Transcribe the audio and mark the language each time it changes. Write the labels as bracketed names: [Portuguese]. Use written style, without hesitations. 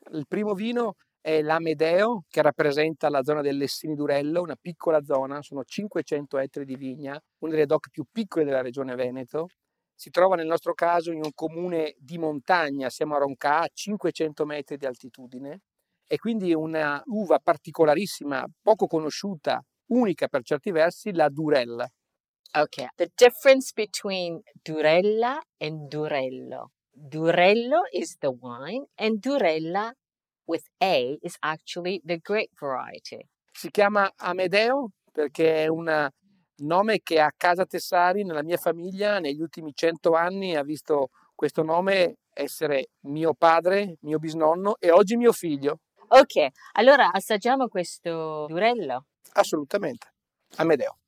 [Italian] Il primo vino è l'Amedeo, che rappresenta la zona del Lessini Durello, una piccola zona, sono 500 ettari di vigna, una delle DOC più piccole della regione Veneto. Si trova nel nostro caso in un comune di montagna, siamo a Roncà, a 500 metri di altitudine. E quindi una uva particolarissima, poco conosciuta, unica per certi versi, la Durella. [English] Ok, the difference between Durella and Durello. Durello is the wine and Durella with A is actually the grape variety. [Italian] Si chiama Amedeo perché è una nome che a casa Tessari, nella mia famiglia, negli ultimi 100 anni ha visto questo nome essere mio padre, mio bisnonno e oggi mio figlio. Ok, allora assaggiamo questo Durello. Assolutamente, Amedeo.